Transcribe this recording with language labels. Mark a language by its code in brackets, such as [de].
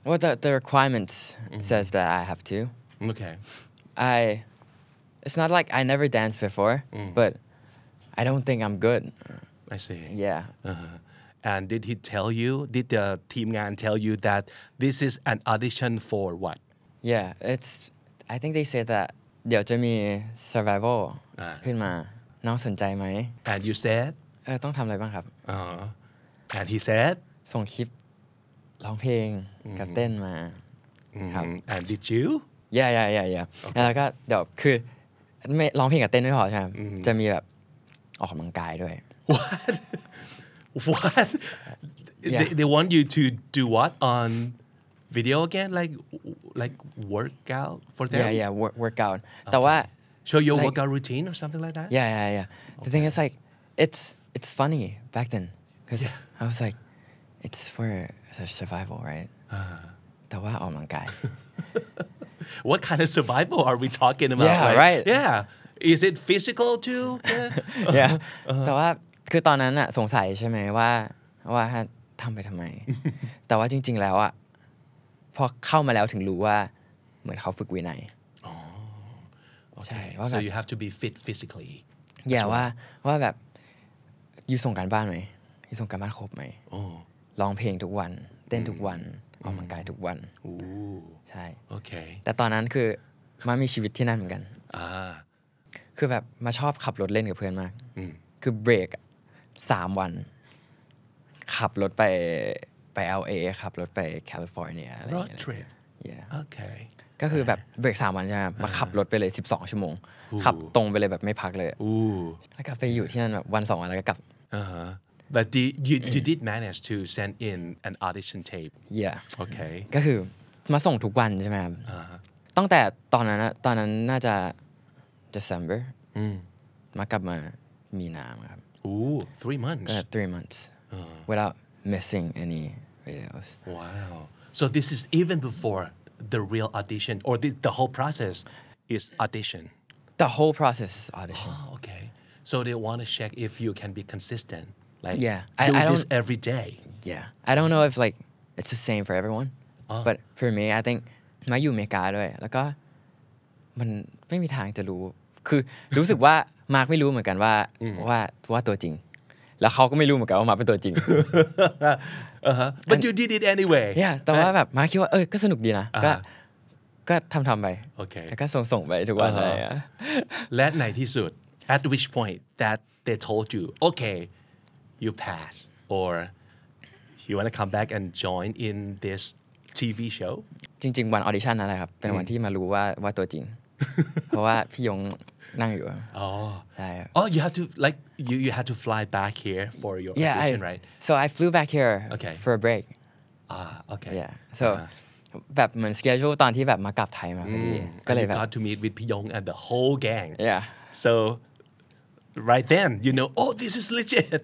[en] Well, the requirements says that I have to. Okay. It's not like I never danced before, but I don't think I'm good. I see. Yeah. Uh-huh. And did he tell you, did the team man tell you that this is an audition for what? Yeah, it's, I think they say that, [th] เดี๋ยวจะมี survival ขึ้นมา น้องสนใจไหม [en] And you said? [th] ต้องทำอะไรบ้างครับ [en] And he said? [th] ส่งคลิปร้องเพลงกับเต้นมาครับ [en] And did you? Yeah. [th] แล้วก็เดี๋ยวคือไม่ร้องเพลงกับเต้นไม่พอใช่ไห ม จะมีแบบออกกำลังกายด้วย [en] What yeah. they want you to do what on video again like workout for them yeah workout okay. แต่ว่า show your like, workout routine or something like that yeah okay. the thing is like it's it's funny back then because yeah. I was like, it's for survival, right? [th] แต่ว่าออกกำลังกาย [en] What kind of survival are we talking about? Yeah, like, right. Yeah, is it physical too? Yeah. [th] แต่ว่าคือตอนนั้นอะสงสัยใช่ไหมว่าทำไปทำไมแต่ว่าจริงๆแล้วอะพอเข้ามาแล้วถึงรู้ว่าเหมือนเขาฝึกวินัย ใช่ว่าแบบ [en] so you have to be fit physically [th] อย่าว่าแบบยูส่งการบ้านไหมยูส่งการบ้านครบไหมร้องเพลงทุกวันเต้นทุกวันออกกำลังกายทุกวันใช่โอเค แต่ตอนนั้นคือมามีชีวิตที่นั่นเหมือนกันคือแบบมาชอบขับรถเล่นกับเพื่อนมากคือเบรก3วันขับรถไป LA ขับรถไปแคลิฟอร์เนียอะไรอย่างเงี้ ย [en] road trip yeah okay [th] ก็คือแบบเบรก3วันใช่ไหมมาขับรถไปเลย12ชั่วโมงขับตรงไปเลยแบบไม่พักเลยแล้วก็ไปอยู่ที่นั่นแบบวัน2วันแล้วก็กลับ [en] But you did manage to send in an audition tape. Yeah. Okay. [th] ก็คือมาส่งทุกวันใช่ไหมครับตั้งแต่ตอนนั้นน่าจะ December มากลับมามีนาครับ [en] 3 months. Yeah, 3 months. Without missing any videos. Wow. So this is even before the real audition or the whole process is audition. The whole process is audition. Oh, okay. So they want to check if you can be consistent. Like, yeah, I do this every day. Yeah, I don't know if like it's the same for everyone, but for me, I think [th] มาอยู่อเมริกาด้วยแล้วก็มันไม่มีทางจะรู้คือรู้สึกว่ามาร์คไม่รู้เหมือนกันว่าตัวจริงแล้วเขาก็ไม่รู้เหมือนกันว่ามาเป็นตัวจริง [en] But you did it anyway. [th] Yeah, แต่ว่าแบบมาร์คคิดว่าเออก็สนุกดีนะก็ทำไป [en] okay. [th] แล้วก็ส่งไปทุกวันเลย อะและในที่สุด [en] at which point that they told you okay. You pass, or you want to come back and join in this TV show? [th] จริงๆวันออดิชั่นนั่นแหละครับเป็นวันที่มารู้ว่าตัวจริงเพราะว่าพี่ยงนั่งอยู่ [en] oh [th] ใช่ [en] oh you have to like you have to fly back here for your yeah, audition right so I flew back here okay for a break okay yeah so [th] แบบเหมือน schedule ตอนที่แบบมากลับไทยมาพอดี [en] ก็เลยแบบ got to meet with พี่ยง and the whole gang yeah soRight then, you know, oh, this is legit.